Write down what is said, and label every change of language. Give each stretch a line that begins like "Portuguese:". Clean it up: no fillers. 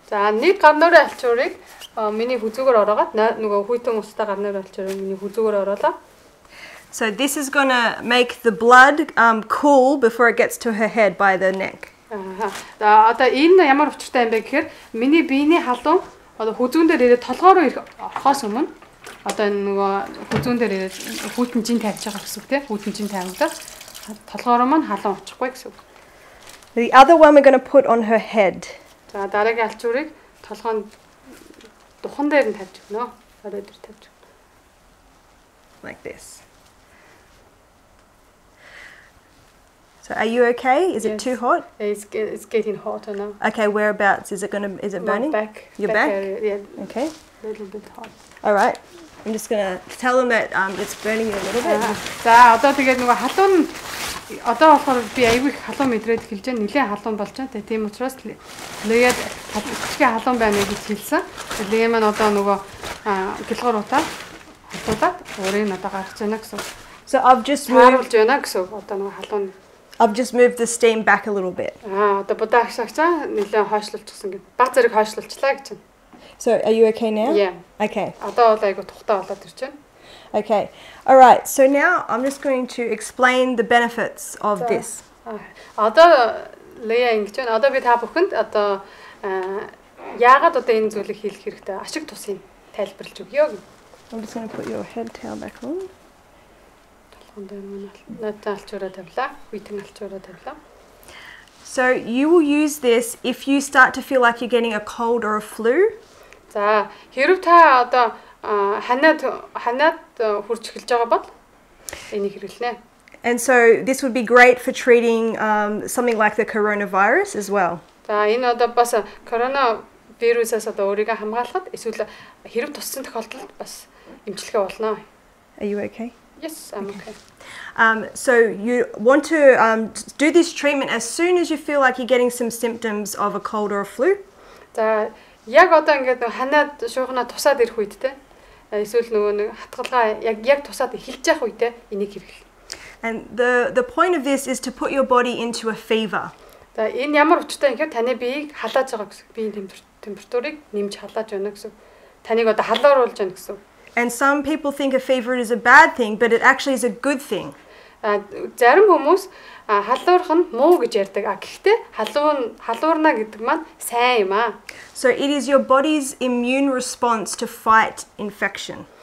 Mongolian: За нэг гар нүрийн алчуурыг миний хүзүүгээр ороогаад нөгөө хүйтэн устай гар нүрийн алчуурыг миний хүзүүгээр ороолаа.
English: So this is going to make the blood cool before it gets to her head by the neck. Аа.
Mongolian: За одоо энэ ямар учиртай юм бэ гэхээр миний биений халуун одоо хүзүүн дээр ирээд толгой руу орохоос өмнө одоо энэ нөгөө хүзүүн дээр ирээд хүйтэн чинь тавьж байгаа гэсэн үг тийм хүйтэн чинь тавьдаг. Толгой руу маань халуун очихгүй гэсэн үг.
English: The other one we're going to put on her head.
Mongolian: За дараагийн алчуурыг толгойн духан дээр нь тавьж өгнө. Орой дээр тавьж.
English: Like this. Are you okay? Is yes. it too hot? It's getting hotter now. Okay, whereabouts? Is it burning? My back. Your back? Yeah. Okay. A little bit hot. All right. I'm just going to tell them that it's burning you a little bit.
Mongolian: За, одоо тэгээд нөгөө халуун одоо болохоор би аягүй халуун мэдрээд хэлж байгаа нүлэн халуун болж байгаа. Тийм учраас нэгэд хэцгий халуун байна гэж хэлсэн. Тэгээд нэг маань одоо нөгөө гэлгор утаа хутуулаад өөрөө надад гарч байна гэсэн.
English: So I've just
Mongolian: харуулж байна гэсэн. Одоо нөгөө халуун
English: I've just moved the steam back a little bit.
Mongolian: Одоо бодаа ашигчаа нүлэн хойшлуулчихсан гэж баг зэрэг хойшлуулчлаа гэж.
English: So are you okay now? Yeah. Okay.
Mongolian: Одоо бол аягүй тухтай болоод ирч байна.
English: Okay. All right. So now I'm just going to explain the benefits of this.
Mongolian: Одоо лея ингэж байна. Одоо би та бүхэнд одоо яагаад одоо энэ зүйлийг хийх хэрэгтэй ашиг тусын тайлбарлаж өгье.
English: I'm just going to put your head tail back on.
Mongolian: Толгонд нөтэй алчуураа тавила. Үйтэн алчуураа тавила.
English: So you will use this if you start to feel like you're getting a cold or a flu.
Mongolian: За, хэрв та одоо ханаад хурж эхэлж байгаа бол энийг хэрэглэнэ.
English: And so this would be great for treating something like the coronavirus as well.
Mongolian: За, энэ одоо бас коронавирусаас одоо өөрийгөө хамгаалахад эсвэл хэрв туссан тохиолдолд бас эмчилгээ болно.
English: Are you okay? Yes, I'm okay. So you want to do this treatment as soon as you feel like you're getting some symptoms of a cold or a flu.
Mongolian: За, яг одоо ингээд ханаад шуухнаа тусаад ирэх үед те. Эсвэл нөгөө нэг хатгалгаа яг тусаад эхэлж явах үед энийг хэрэглэ.
English: And the point of this is to put your body into a fever.
Mongolian: За, энэ ямар учиртай ингээд таны биеийг халааж байгаа гэсэн. Биеийн температурыг нэмж халааж байна гэсэн. Таныг одоо халууруулж байна гэсэн.
English: And some people think a fever is a bad thing, but it actually is a good thing.
Mongolian: Зарим хүмүүс халуурах нь муу гэж ярьдаг. Гэхдээ халуурна гэдэг маань сайн юм аа.
English: So it is your body's immune response to fight infection.